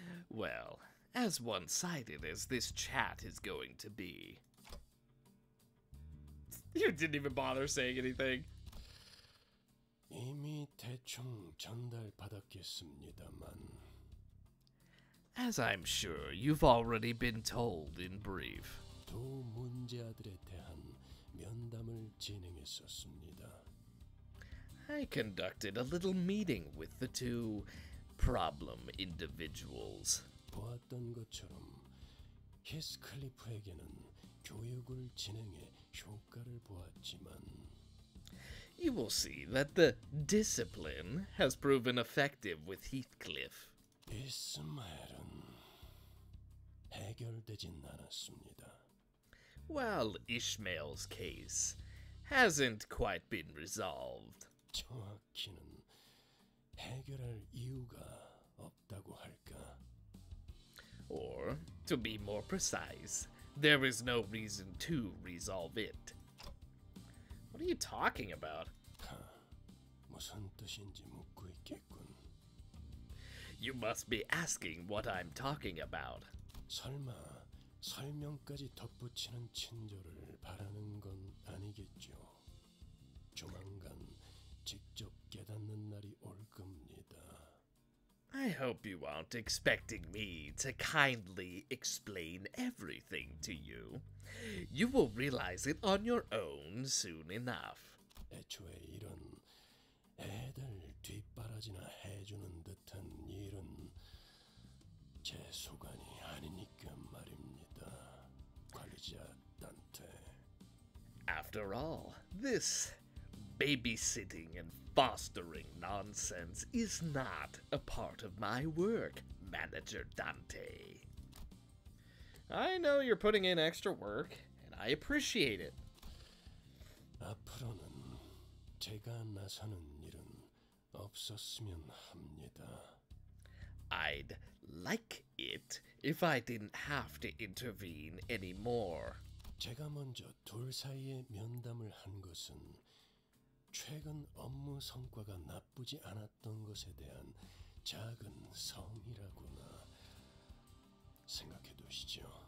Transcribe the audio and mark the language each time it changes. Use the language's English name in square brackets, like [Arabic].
[English] Well, as one-sided as this chat is going to be... You didn't even bother saying anything. [Korean] 이미 대충 전달받았겠습니다만. [English] As I'm sure you've already been told in brief. [Korean] 두 문제아들에 대한 면담을 진행했었습니다. [English] I conducted a little meeting with the two problem individuals. [Korean] 보았던 것처럼 히스클리프에게는 교육을 진행해 효과를 보았지만. [English] You will see that the discipline has proven effective with Heathcliff. [Korean] 이스마엘은 해결되진 않았습니다. [English] Well, Ishmael's case hasn't quite been resolved. [Korean] 정확히는 해결할 이유가 없다고 할까? [English] Or, to be more precise, There is no reason to resolve it. What are you talking about? You must be asking what I'm talking about. [Korean] 설마 설명까지 덧붙이는 친절을 바라는 건 아니겠죠? 조만간 직접 깨닫는 날이 올 겁니다. [English] I hope you aren't expecting me to kindly explain everything to you. You will realize it on your own soon enough. [Korean] 애초에 이런 애들 뒷바라지나 해주는 듯한 일은 제 소관이 아니니까 말입니다. 관리자 단테. [English] After all, this babysitting and fostering nonsense is not a part of my work, Manager Dante. I know you're putting in extra work, and I appreciate it. [Korean] 앞으로는 제가 나서는 일은 없었으면 합니다. [English] I'd like it if I didn't have to intervene anymore. [Korean] 제가 먼저 둘 사이에 면담을 한 것은 최근 업무 성과가 나쁘지 않았던 것에 대한 작은 성이라고나 생각해 두시죠.